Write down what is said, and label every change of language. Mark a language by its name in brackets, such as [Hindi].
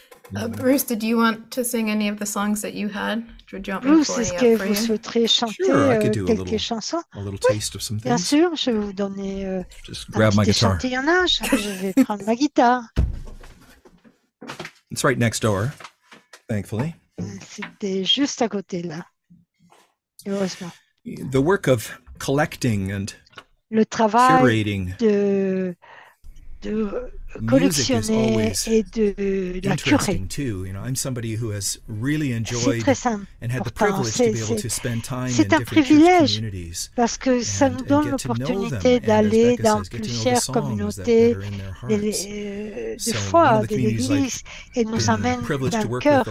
[English] Bruce, did you want to sing any of the songs that you had? [French] Bruce, est-ce que vous souhaiteriez chanter quelques chansons? Oui, bien sûr, je vais vous donner un petit échantillonnage. Je vais prendre ma guitare. [English] It's right next door, thankfully. [French] C'était juste à côté, là. Heureusement. [English] The work of collecting and curating. [French] Le travail de collectionner et de la curer. [English] Too. You know, I'm somebody who has really enjoyed and had the privilege to be able to spend time in different communities. [French] Parce que ça nous donne l'opportunité d'aller dans plusieurs communautés de foi, de l'Église, et nous amène d'un cœur.